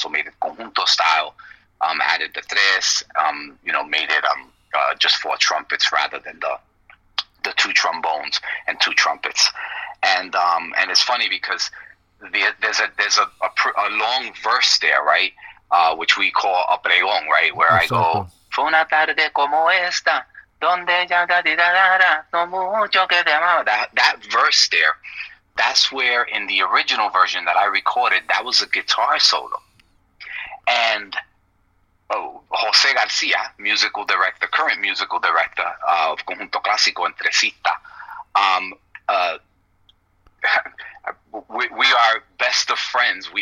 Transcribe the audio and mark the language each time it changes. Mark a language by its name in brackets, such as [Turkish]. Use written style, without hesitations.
[English] So made it conjunto style, added the tres, you know, made it just four trumpets rather than the two trombones and two trumpets. And it's funny because there's a long verse there, right? Which we call a pregón, right? Where I go, [Spanish] fue una tarde como esta, donde ya da di da da da, no mucho que te amaba. [English] That verse there, that's where in the original version that I recorded, that was a guitar solo. And Jose Garcia, musical director, current musical director of Conjunto Clásico and Tresita, we are best of friends.